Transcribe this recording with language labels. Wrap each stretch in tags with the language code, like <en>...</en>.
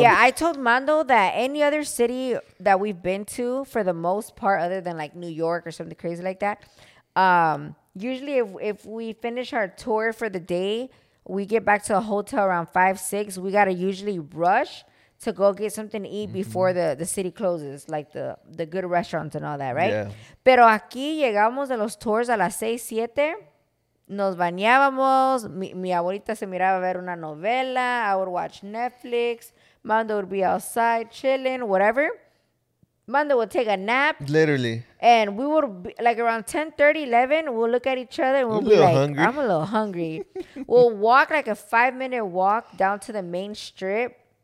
<en>Yeah, I told Mando that any other city that we've been to for the most part, other than like New York or something crazy like that, usually if we finish our tour for the day, we get back to a hotel around 5-6. We got to usually rush to go get something to eat before the city closes, like the good restaurants and all that, right? Yeah.</en> <es>Pero aquí llegamos de los tours a las 6-7. Nos bañábamos. Mi abuelita se miraba a ver una novela.</es> <en>I would watch Netflix. Mando would be outside chilling, whatever. Mando would take a nap. Literally. And we would, like, around 10:30, 11, we'll look at each other and we'll be like, hungry. I'm a little hungry. We'll walk, like, a 5-minute walk down to the main strip.</en>